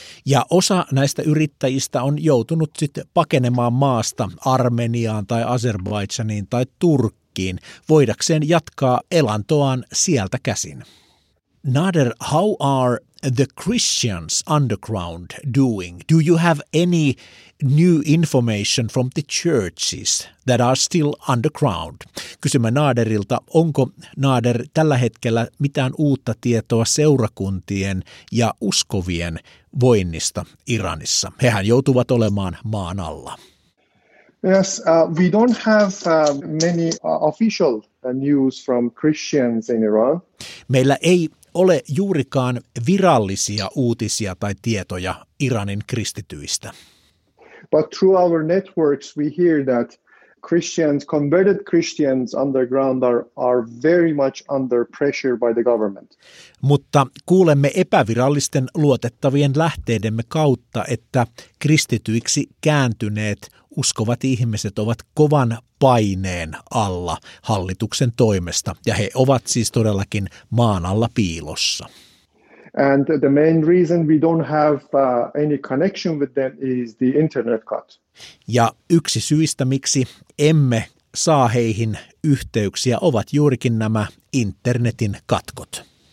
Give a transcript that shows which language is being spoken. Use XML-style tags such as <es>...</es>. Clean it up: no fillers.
<fi>Ja osa näistä yrittäjistä on joutunut sitten pakenemaan maasta Armeniaan tai Azerbaijaniin tai Turkkiin, voidakseen jatkaa elantoaan sieltä käsin.</fi> <en>Nader, how are the Christians underground doing? Do you have any new information from the churches that are still underground?</en> <fi>Kysymme Naderilta, onko Nader tällä hetkellä mitään uutta tietoa seurakuntien ja uskovien voinnista Iranissa? Hehän joutuvat olemaan maan alla.</fi> <en>Yes, we don't have many official news from Christians in Iran.</en> <fi>Meillä ei ole juurikaan virallisia uutisia tai tietoja Iranin kristityistä.</fi> <en>But through our networks we hear that Christians, converted Christians underground are very much under pressure by the government.</en> <fi>Mutta kuulemme epävirallisten luotettavien lähteidemme kautta, että kristityiksi kääntyneet uskovat ihmiset ovat kovan paineen alla hallituksen toimesta, ja he ovat siis todellakin maan alla piilossa.</fi> <en>And the main reason we don't have any connection with them is the internet cut.</en> <fi>Ja yksi syistä, miksi emme saa heihin yhteyksiä, ovat juurikin nämä internetin katkot.</fi>